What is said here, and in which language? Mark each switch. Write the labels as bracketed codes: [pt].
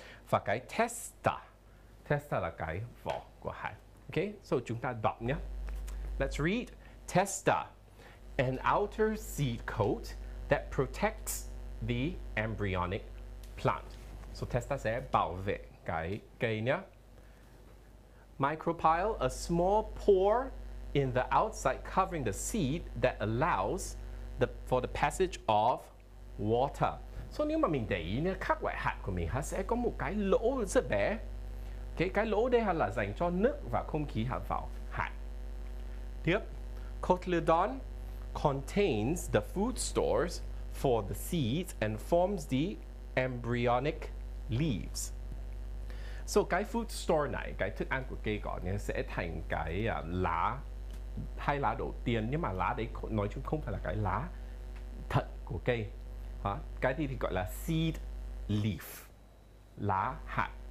[vi] Và cái testa là cái vỏ của hạt. [en] Okay, so [vi] chúng ta đọc nhé. [en] Let's read. Testa, an outer seed coat that protects the embryonic plant. [vi] So testa sẽ bảo vệ cái cây nhé. [en] Micropyle, a small pore in the outside covering the seed that allows for the passage of water. [vi] So nếu mà mình để ý nha, các loại hạt của mình sẽ có một cái lỗ rất bé. Cái lỗ đây là dành cho nước và không khí hạt vào hạt. [en] Tiếp, cotyledon contains the food stores for the seeds and forms the embryonic leaves. [vi] So cái food store này, cái thức ăn của cây cỏ này sẽ thành cái lá, hai lá đầu tiên, nhưng mà lá đấy nói chung không phải là cái lá thật của cây. Hả? Cái thì gọi là seed leaf, lá hạt.